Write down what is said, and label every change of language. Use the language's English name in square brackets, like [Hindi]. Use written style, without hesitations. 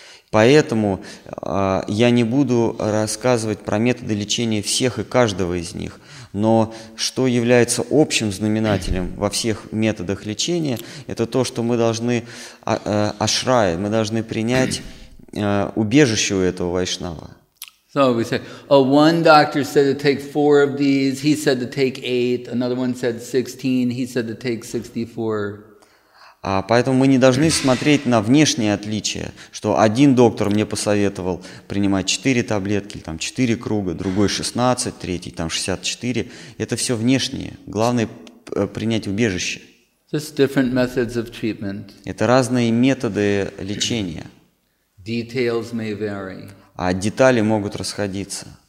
[Russian] Поэтому я не буду рассказывать про методы лечения всех и каждого из них, но что является общим знаменателем во всех методах лечения, это то, что мы должны ашрая, мы должны принять убежище у этого вайшнава. [English] So we say, oh, one doctor said to take four of these, he said to take eight, another one said 16, he said to take 64. [Russian] Поэтому мы не должны смотреть на внешние отличия, что один доктор мне посоветовал принимать 4 таблетки, там 4 круга, другой 16, третий там 64. Это все внешнее. Главное принять убежище. [English] Just different methods of treatment. [Russian] Это разные методы лечения. [English] Details may vary. [Russian] А детали могут расходиться.